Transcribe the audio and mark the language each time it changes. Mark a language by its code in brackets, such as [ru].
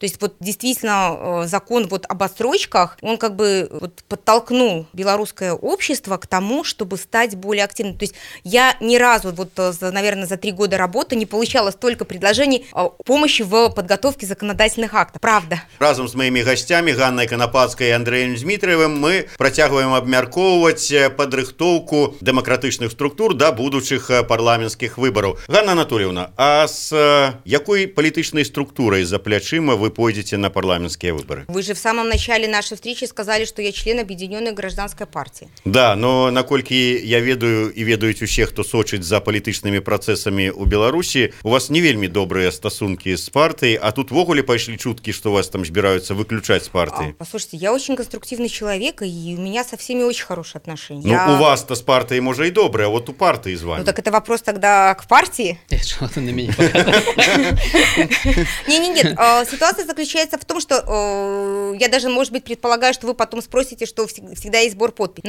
[ru] То есть вот действительно закон вот об отсрочках, он как бы вот подтолкнул белорусское общество к тому, чтобы стать более активным. То есть я ни разу, вот, наверное, за 3 года работы не получала столько предложений помощи в подготовке законодательных актов. Правда. [be] Разом с моими гостями, Ганной Канапаскай и Андреем Дмитриевым, мы працягваем абмяркоўваць падрыхтоўку дэмакратычных структур да будучых парламенцкіх выбараў. Ганна Анатольевна, а з якой палітычнай структурай за плячыма вы пойдзеце на парламенцкія выбары? [ru] Вы же в самом начале нашай встречи сказали, что я член Объединённой гражданской партии. [be] Да, но наколькі я ведаю і ведаюць усе, хто сочыць за палітычнымі працэсамі ў Беларусі, у вас не вельмі добрыя стасункі з партыяй, а тут ввогуле пайшлі чуткі, што вас там збіраюцца выключаць з партыі. [ru] Послушайте, я очень конструктивный человек. Века, и у меня со всеми очень хорошие отношения. Ну, у вас-то с партией, может, и добрые, а вот у партии с вами. Ну, так это вопрос тогда к партии. Что-то на меня показывает. Нет. Ситуация заключается в том, что я даже, может быть, предполагаю, что вы потом спросите, что всегда есть сбор подписей.